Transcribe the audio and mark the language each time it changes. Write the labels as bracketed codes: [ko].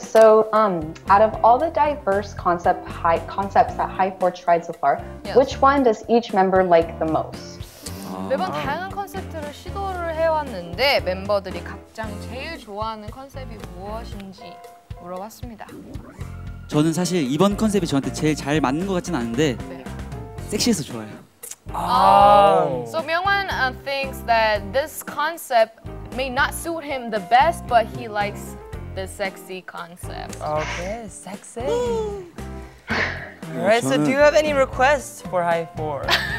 [en] So out of all the diverse concepts that HIGH4 tried so far, which one does each member like the most? [ko] 매번 다양한 컨셉트를 시도를 해왔는데 멤버들이 각장 제일 좋아하는 컨셉이 무엇인지 물어봤습니다. 저는 사실 이번 컨셉이 저한테 제일 잘 맞는 것 같지는 않은데 섹시해서 좋아요. [en] So Myungwan thinks that this concept may not suit him the best, but he likes the sexy concept. Okay, sexy. All right, so do you have any requests for HIGH4?